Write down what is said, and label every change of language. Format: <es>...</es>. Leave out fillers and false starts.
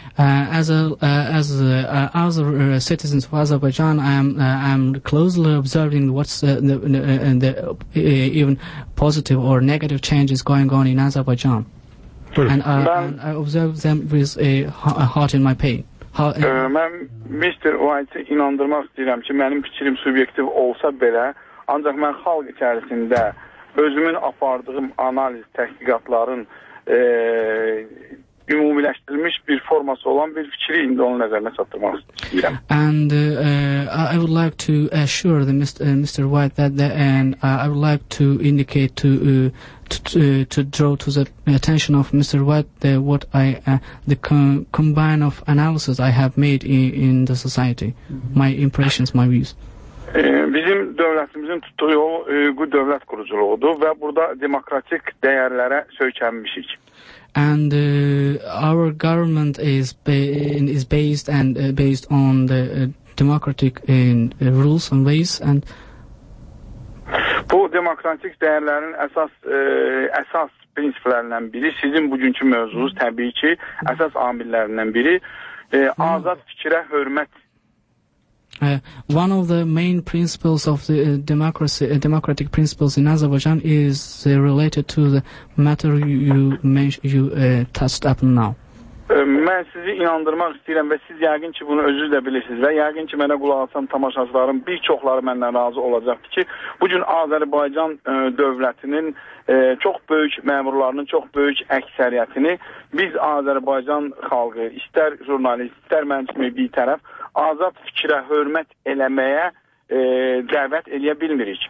<en>As citizens of Azerbaijan, I am closely observing what's even positive or negative changes going on in Azerbaijan. And I observe them with a heart in my pain.</en> <az>Mən Mr. White-ı inandırmaq istəyirəm ki, mənim fikrim subyektiv olsa belə, ancaq mən xalq içərisində özümün apardığım analiz təhqiqatların ümumiləşdirilmiş bir forması olan bir fikri indi onun nəzərinə çatdırmaq istəyirəm.</az> <en>And I would like to assure the Mr. White that I would like to indicate to draw to the attention of Mr. White the combine of analysis I have made in the society, my impressions, my views.</en> <az>Bizim dövlətimizin tutduğu yol qüd dövlət quruculuğudur və burada demokratik dəyərlərə söykənmişik.</az> <en>And our government is based on the democratic rules and ways and</en> <az>bu demokratik dəyərlərin əsas prinsiplərindən biri, sizin bugünkü mövzunuz təbii ki, əsas amillərindən biri azad fikrə hörmət.</az> <en>One of the main principles of the democratic principles in Azerbaijan is related to the matter you touched up now.</en> <az>Mən sizi inandırmaq istəyirəm və siz yəqin ki, bunu özünüz də bilirsiniz və yəqin ki, mənə qulaq asan tamaşaçıların bir çoxları məndən razı olacaqdır ki, bugün Azərbaycan dövlətinin çox böyük məmurlarının çox böyük əksəriyyətini biz Azərbaycan xalqı, istər jurnalist, istər mənçimi bir tərəf azad fikrə hörmət eləməyə dəvət eləyə bilmirik.</az>